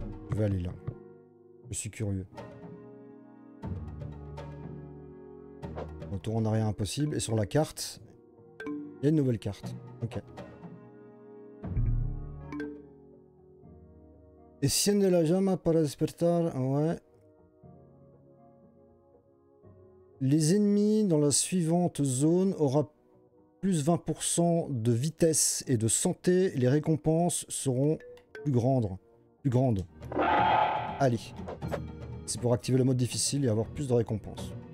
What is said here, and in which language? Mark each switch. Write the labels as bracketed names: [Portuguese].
[French] Je vais aller là. Je suis curieux. Retour en arrière impossible. Et sur la carte, il y a une nouvelle carte. Ok. [Spanish] Enciende la llama para despertar. [French] Ouais. Les ennemis dans la suivante zone aura plus 20% de vitesse et de santé. Les récompenses seront plus grandes. Plus grandes. Allez. C'est pour activer le mode difficile et avoir plus de récompenses.